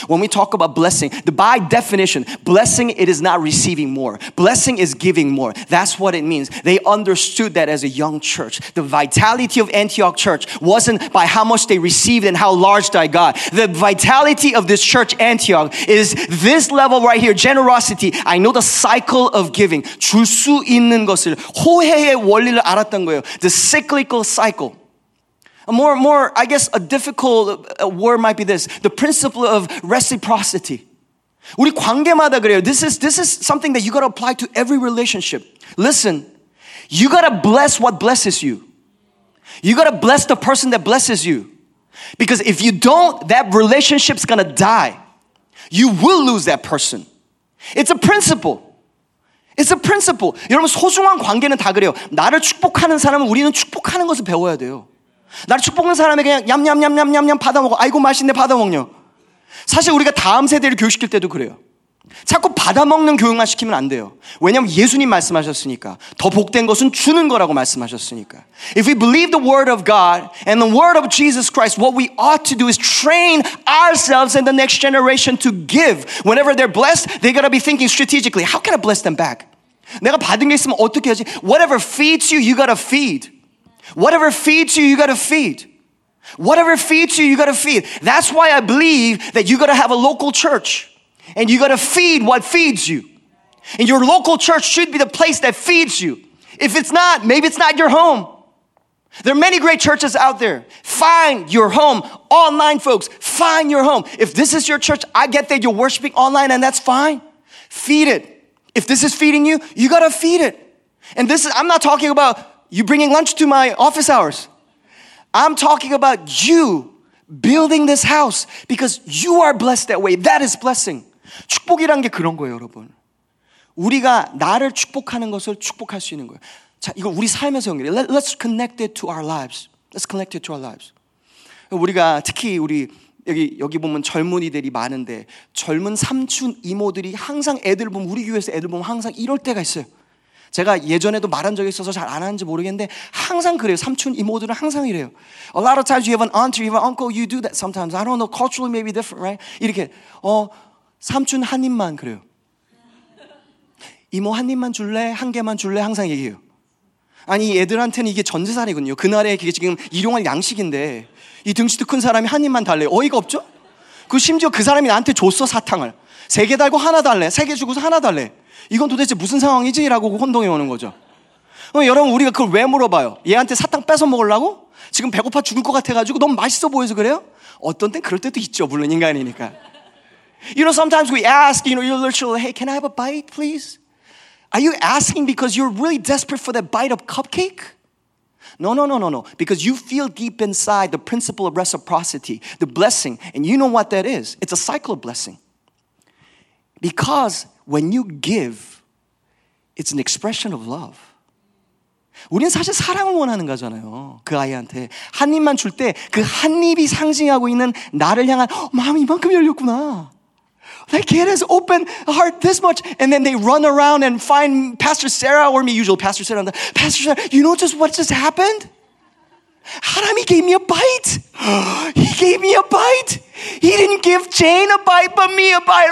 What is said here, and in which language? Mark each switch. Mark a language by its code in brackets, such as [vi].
[en] When we talk about blessing, by definition, blessing, it is not receiving more. Blessing is giving more. That's what it means. They understood that as a young church. The vitality of Antioch church wasn't by how much they received and how large they got. The vitality of this church, Antioch, is this level right here, generosity. I know the cycle of giving. [ko] 줄 수 있는 것을, 호혜의 원리를 알았던 거예요. [en] The cyclical cycle. More, I guess a difficult word might be this. The principle of reciprocity. [ko] 우리 관계마다 그래요. [en] This is something that you got to apply to every relationship. Listen, you got to bless what blesses you. You got to bless the person that blesses you. Because if you don't, that relationship's going to die. You will lose that person. It's a principle. [ko] 여러분, 소중한 관계는 다 그래요. 나를 축복하는 사람은 우리는 축복하는 것을 배워야 돼요. 나를 축복하는 사람이 그냥 냠냠냠냠냠 받아먹어. 아이고, 맛있네, 받아먹냐. 사실 우리가 다음 세대를 교육시킬 때도 그래요. 자꾸 받아먹는 교육만 시키면 안 돼요. 왜냐하면 예수님 말씀하셨으니까. 더 복된 것은 주는 거라고 말씀하셨으니까. [en] If we believe the word of God and the word of Jesus Christ, what we ought to do is train ourselves and the next generation to give. Whenever they're blessed, they got to be thinking strategically. How can I bless them back? [ko] 내가 받은 게 있으면 어떻게 하지? [en] Whatever feeds you, you got to feed. Whatever feeds you, you got to feed. Whatever feeds you, you got to feed. That's why I believe that you got to have a local church. And you gotta feed what feeds you. And your local church should be the place that feeds you. If it's not, maybe it's not your home. There are many great churches out there. Find your home. Online, folks, find your home. If this is your church, I get that you're worshiping online and that's fine. Feed it. If this is feeding you, you gotta feed it. And this is, I'm not talking about you bringing lunch to my office hours. I'm talking about you building this house because you are blessed that way. That is blessing. [ko] 축복이란 게 그런 거예요, 여러분. 우리가 나를 축복하는 것을 축복할 수 있는 거예요. 자, 이거 우리 삶에서 연결해. [en] Let's connect it to our lives. Let's connect it to our lives. [ko] 우리가 특히 우리 여기 보면 젊은이들이 많은데 젊은 삼촌 이모들이 항상 애들 보면 우리 교회에서 애들 보면 항상 이럴 때가 있어요. 제가 예전에도 말한 적이 있어서 잘 안 하는지 모르겠는데 항상 그래요. 삼촌 이모들은 항상 이래요. [en] A lot of times you have an aunt, you have an uncle, you do that sometimes. I don't know, culturally maybe different, right? [ko] 이렇게 삼촌 한입만 그래요. 이모 한입만 줄래? 한 개만 줄래? 항상 얘기해요. 아니 애들한테는 이게 전재산이군요. 그날에 그게 지금 일용할 양식인데 이 등치도 큰 사람이 한 입만 달래. 어이가 없죠? 그 심지어 그 사람이 나한테 줬어 사탕을. 세 개 달고 하나 달래. 세 개 주고서 하나 달래. 이건 도대체 무슨 상황이지? 라고 혼동이 오는 거죠. 그럼 여러분 우리가 그걸 왜 물어봐요? 얘한테 사탕 뺏어 먹으려고? 지금 배고파 죽을 것 같아가지고 너무 맛있어 보여서 그래요? 어떤 땐 그럴 때도 있죠. 물론 인간이니까. [en] You know, sometimes we ask, you know, you're literally, hey, can I have a bite, please? Are you asking because you're really desperate for that bite of cupcake? No. Because you feel deep inside the principle of reciprocity, the blessing. And you know what that is? It's a cycle of blessing. Because when you give, it's an expression of love. [ko] 우린 사실 사랑을 원하는 거잖아요. 그 아이한테. 한 입만 줄 때 그 한 입이 상징하고 있는 나를 향한 마음이 이만큼 열렸구나. [en] That kid has opened the heart this much, and then they run around and find Pastor Sarah or me, usually Pastor Sarah. Pastor Sarah, you know just what just happened? 하나님이 gave me a bite. He gave me a bite. He didn't give Jane a bite, but me a bite.